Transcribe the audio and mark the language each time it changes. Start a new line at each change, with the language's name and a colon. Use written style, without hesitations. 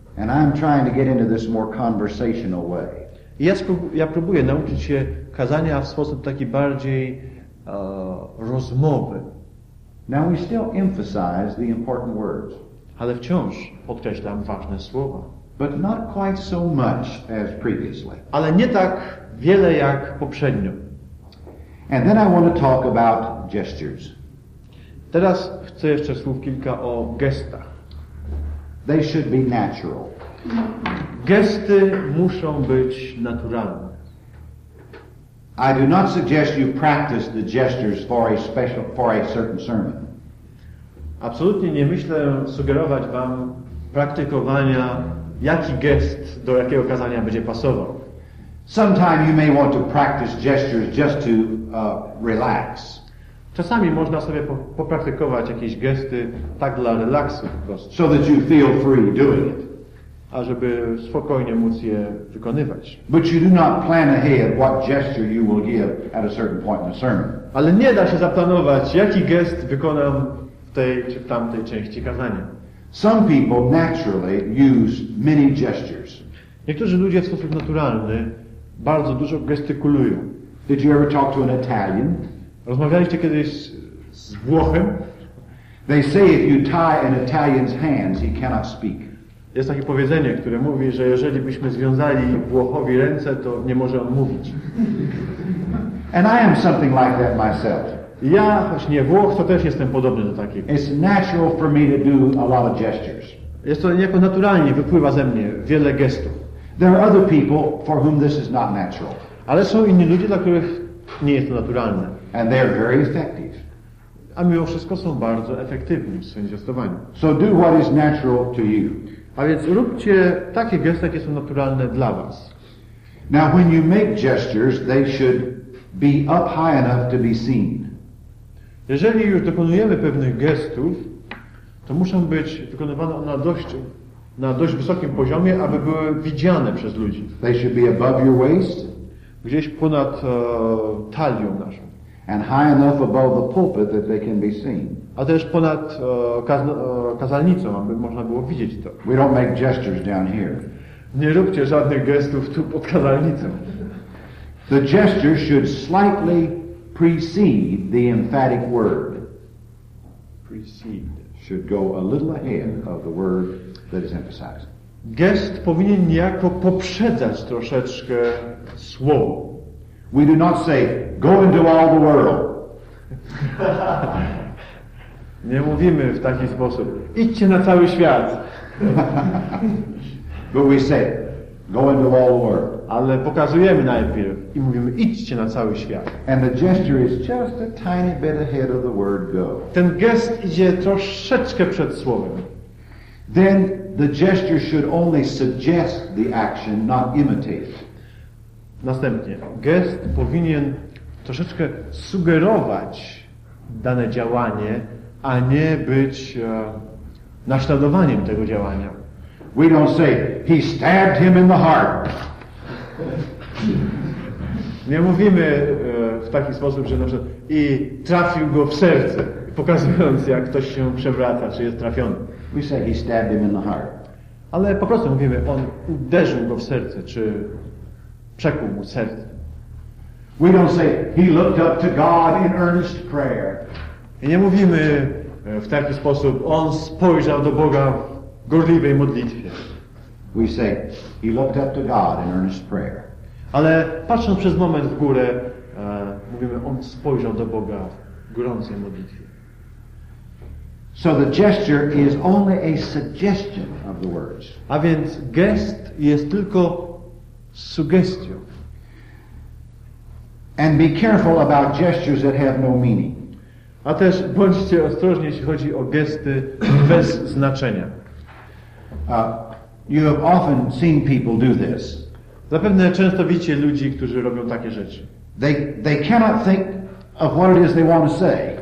English: And I'm trying to get into this more conversational way.
Polish: I ja próbuję nauczyć się kazania w sposób taki bardziej rozmowy.
English: Now we still emphasize the important words.
Polish: Ale wciąż podkreślam ważne słowa.
English: But not quite so much as previously.
Polish: Ale nie tak wiele jak poprzednio.
English: And then I want to talk about gestures.
Polish: Teraz chcę jeszcze słów kilka o gestach.
English: They should be natural.
Polish: Gesty muszą być naturalne.
English: I do not suggest you practice the gestures for a certain sermon.
Polish: Absolutnie nie myślę sugerować wam praktykowania, jaki gest do jakiego kazania będzie pasował.
English: Sometimes you may want to practice gestures just to relax.
Polish: Czasami można sobie popraktykować jakieś gesty tak dla relaksu po prostu.
English: So that you feel free doing it.
Polish: A żeby spokojnie móc je wykonywać.
English: But you do not plan ahead what gesture you will give at a certain point in the sermon.
Polish: Ale nie da się zaplanować, jaki gest wykonam w tej czy w tamtej części kazania.
English: Some people naturally use many gestures.
Polish: Niektórzy ludzie w sposób naturalny bardzo dużo gestykulują.
English: Did you ever talk to an Italian?
Polish: Rozmawialiście kiedyś z Włochem?
English: They say if you tie an Italian's hands, he cannot speak.
Polish: Jest takie powiedzenie, które mówi, że jeżeli byśmy związali Włochowi ręce, to nie może on mówić.
English: And I am something like that myself.
Polish: Ja, choć nie Włoch, to też jestem podobny do takiego.
English: It's natural for me to do a lot of gestures.
Polish: Jest to niejako naturalnie, wypływa ze mnie wiele gestów.
English: There are other people for whom this is not natural.
Polish: Ale są inni ludzie, dla których nie jest to naturalne.
English: And they are very effective.
Polish: A mimo wszystko są bardzo efektywni w swoim gestowaniu.
English: So do what is natural to you.
Polish: A więc róbcie takie gesty, jakie są naturalne dla was.
English: Now when you make gestures, they should be up high enough to be seen.
Polish: Jeżeli już dokonujemy pewnych gestów, to muszą być wykonywane na dość wysokim poziomie, aby były widziane przez ludzi.
English: They should be above your waist.
Polish: Gdzieś ponad talią naszą.
English: And high enough above the pulpit that they can be seen.
Polish: A też ponad kazalnicą, aby można było widzieć to.
English: We don't make gestures down here.
Polish: Nie róbcie żadnych gestów tu pod kazalnicą.
English: The gesture should slightly precede the emphatic word. Precede should go a little ahead of the word that is emphasized.
Polish: Gest powinien niejako poprzedzać troszeczkę słowo.
English: We do not say, go into all the world.
Polish: Nie mówimy w taki sposób, idźcie na cały świat.
English: But we say, go into all the world.
Polish: Ale pokazujemy najpierw i mówimy, idźcie na cały świat.
English: And the gesture is just a tiny bit ahead of the word go.
Polish: Ten gest idzie troszeczkę przed słowem.
English: Then the gesture should only suggest the action, not imitate.
Polish: Następnie, gest powinien troszeczkę sugerować dane działanie, a nie być naśladowaniem tego działania.
English: We don't say, he stabbed him in the heart.
Polish: Nie mówimy w taki sposób, że na przykład i trafił go w serce, pokazując jak ktoś się przewraca, czy jest trafiony.
English: We say, he stabbed him in the heart.
Polish: Ale po prostu mówimy, on uderzył go w serce, czy przekuł mu serce.
English: We don't say, he looked up to God in earnest prayer.
Polish: I nie mówimy w taki sposób, on spojrzał do Boga w gorliwej modlitwie.
English: We say, he looked up to God in earnest prayer.
Polish: Ale patrząc przez moment w górę, mówimy, on spojrzał do Boga w gorącej modlitwie.
English: So the gesture is only a suggestion of the words.
Polish: A więc gest jest tylko sugestią.
English: And be careful about gestures that have no meaning.
Polish: A też bądźcie ostrożni, jeśli chodzi o gesty bez znaczenia.
English: You have often seen people do this.
Polish: Zapewne często widzicie ludzi, którzy robią takie rzeczy.
English: They cannot think of what it is they want to say.